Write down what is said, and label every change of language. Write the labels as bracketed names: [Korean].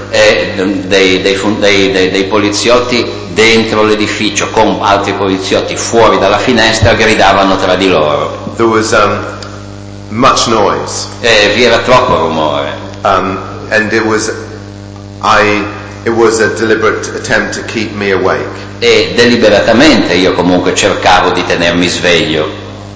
[Italian] Dei poliziotti dentro l'edificio con altri poliziotti fuori dalla finestra gridavano tra di loro. [English] There was much noise. [Italian] Vi era troppo rumore. [English] And it was a deliberate attempt to keep me awake. [Italian] E deliberatamente io comunque cercavo di tenermi sveglio.